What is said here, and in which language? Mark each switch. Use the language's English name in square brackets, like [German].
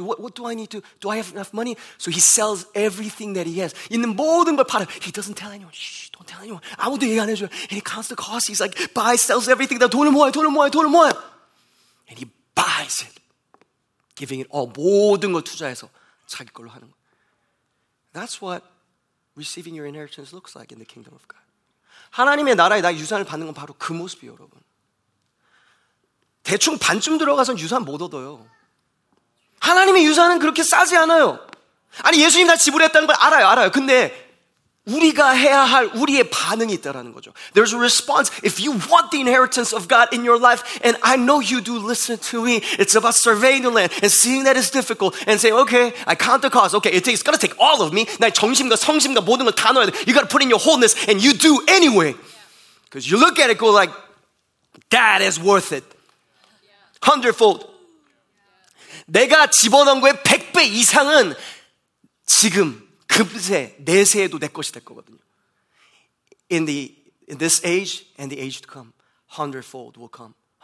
[English] What do I need to? Do I have enough money? So he sells everything that he has. [Korean] 있는 모든 걸 팔아요. [English] He doesn't tell anyone. Shh, don't tell anyone. [Korean] 아무도 얘기 안 해줘요. [English] And he counts the cost. He's like, buys, sells everything. [Korean] 나 돈을 모아요. [English] And he buys it. Giving it all. [Korean] 모든 걸 투자해서 자기 걸로 하는 거예요. [English] That's what receiving your inheritance looks like in the kingdom of God. [Korean] 하나님의 나라에 나 유산을 받는 건 바로 그 모습이에요, 여러분. 대충 반쯤 들어가선 유산 못 얻어요. 하나님의 유산은 그렇게 싸지 않아요. 아니, 예수님 나 지불했다는 걸 알아요. 근데 우리가 해야 할 우리의 반응이 있다라는 거죠. [English] There's a response. If you want the inheritance of God in your life, and I know you do, listen to me. It's about surveying the land and seeing that it's difficult and saying, okay, I count the cost. Okay, it's going to take all of me. [Korean] 나의 정심과 성심과 모든 걸 다 넣어야 돼. [English] You got to put in your wholeness, and you do anyway. Because you look at it, go like, that is worth it. Hundredfold. [Korean] 내가 집어넣은 거에 100배 이상은 지금 금세 내세에도 내 것이 될 거거든요. [English] In this age and the age to come, hundredfold will come.